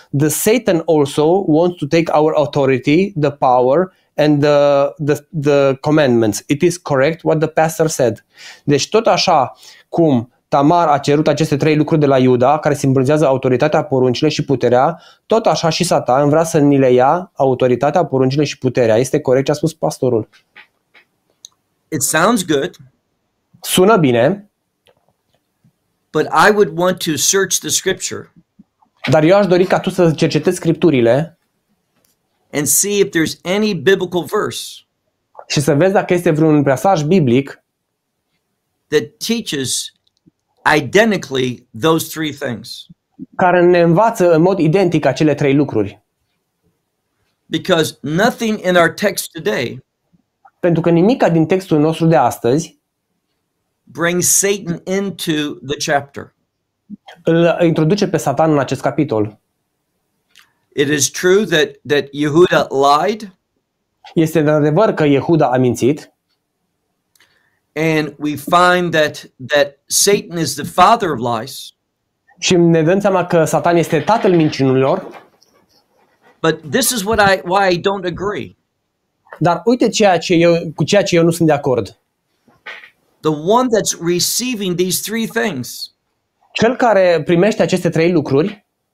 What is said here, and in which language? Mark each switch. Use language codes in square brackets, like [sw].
[en] The Satan also wants to take our authority, the power, and the commandments. It is correct what the pastor said. [ro] Deci tot așa cum Tamar a cerut aceste trei lucruri de la Iuda, care simbolizează autoritatea, poruncile și puterea, tot așa și Satan vrea să ni le ia autoritatea, poruncile și puterea. Este corect ce a spus pastorul? [en] It sounds good. [ro] Sună bine. [en] But I would want to search the scripture. [ro] Dar eu aș dori ca tu să cercetezi scripturile. [en] And see if there's any biblical verse. [ro] Și să vezi dacă este vreun pasaj biblic [en] that teaches identically those three things. [ro] Care ne învață în mod identic acele trei lucruri. [en] Because nothing in our text today. [ro] Pentru că nimica din textul nostru de astăzi [en] brings Satan into the chapter. [ro] Îl introduce pe Satan în acest capitol. [en] It is true that Yehuda lied. [ro] Este de adevăr că Yehuda a mințit. [en] And we find that Satan is the father of lies. [ro] Și ne dăm seama că Satan este tatăl minciunilor. [en] But this is why I don't agree. [ro] Dar uite cu ceea ce eu nu sunt de acord. [en] The one that's receiving these three things. [ro] Cel care primește aceste trei lucruri